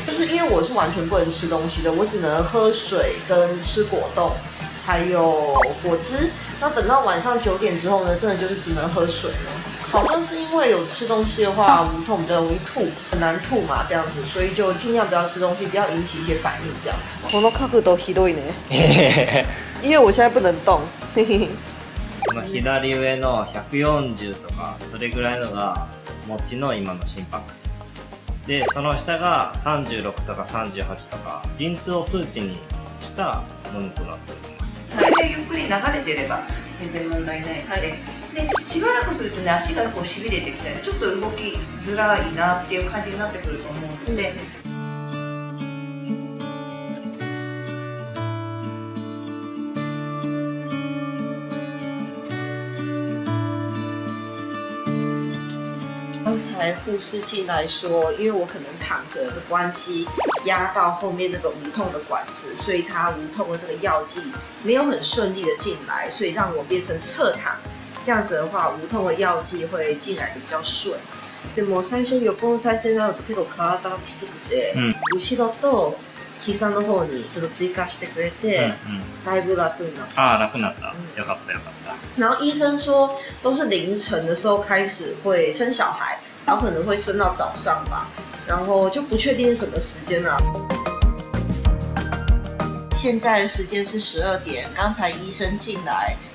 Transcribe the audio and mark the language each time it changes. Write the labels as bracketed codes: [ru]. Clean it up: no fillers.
[zh] 就是因为我是完全不能吃东西的，我只能喝水跟吃果冻还有果汁。那等到晚上九点之后呢，真的就是只能喝水了。好像是因为有吃东西的话无痛比较容易吐，很难吐嘛这样子，所以就尽量不要吃东西，不要引起一些反应这样子。 [ja] この角度ひどいね。 [zh] 因为我现在不能动。 [ja] 今左上の140とかそれぐらいのが持ちの今の心拍数で、その下が36とか38とか陣痛を数値にしたものとなっております。体重ゆっくり流れてれば全然問題ない。はい。でしばらくするとね、足がこうしびれてきたり、ちょっと動きづらいなっていう感じになってくると思うので、うん、 [zh] 刚才护士进来说，因为我可能躺着的关系压到后面那个无痛的管子，所以他无痛的那个药剂没有很顺利的进来，所以让我变成侧躺，这样子的话无痛的药剂会进来比较顺。 [ja] でも最初横の体勢になると結構体がきつくて、後ろと膝の方にちょっと追加してくれて、だいぶ楽になった。あ、楽になった。よかったよかった。 [zh] 然后医生说都是凌晨的时候开始会生小孩，然后可能会生到早上吧，然后就不确定什么时间了。现在时间是12点，刚才医生进来。